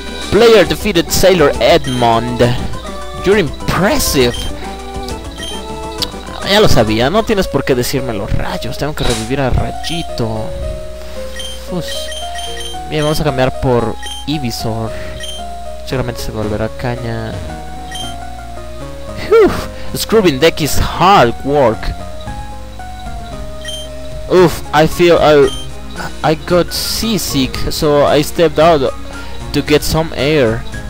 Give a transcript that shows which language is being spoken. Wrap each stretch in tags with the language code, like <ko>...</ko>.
<en>Player defeated Sailor Edmund. You're impressive.</en> <es>Ya lo sabía, no tienes por qué decirme los rayos. Tengo que revivir a Rayito. Bien, vamos a cambiar por Ivysaur. Seguramente se volverá caña.</es> <en>Scrubbing deck is hard work. Oof, I feel I got seasick, so I stepped out to get some air.</en>